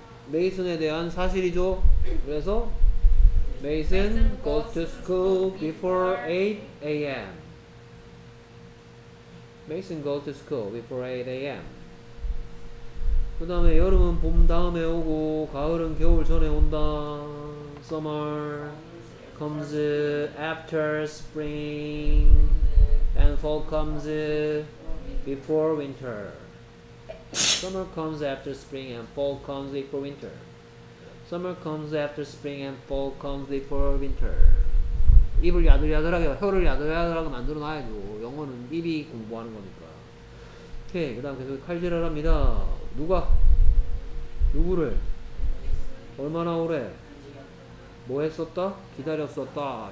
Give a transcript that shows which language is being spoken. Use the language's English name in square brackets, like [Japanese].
[Korean] 메이슨에 대한 사실이죠 그래서 [English] Mason goes to school before 8 a.m. Mason goes to school before 8 a.m. [Korean] 그 다음에 여름은 봄 다음에 오고 가을은 겨울 전에 온다. [English] Summer comes after spring and fall comes before winter. Summer comes after spring and fall comes before winter. Summer comes after spring and fall comes before winter. [Korean] 입을 야들야들하게, 혀를 야들야들하게 만들어 놔야죠. 영어는 입이 공부하는 거니까. 오케이, 그 다음 계속 칼질을 합니다. 누가? 누구를? 얼마나 오래? 뭐 했었다? 기다렸었다.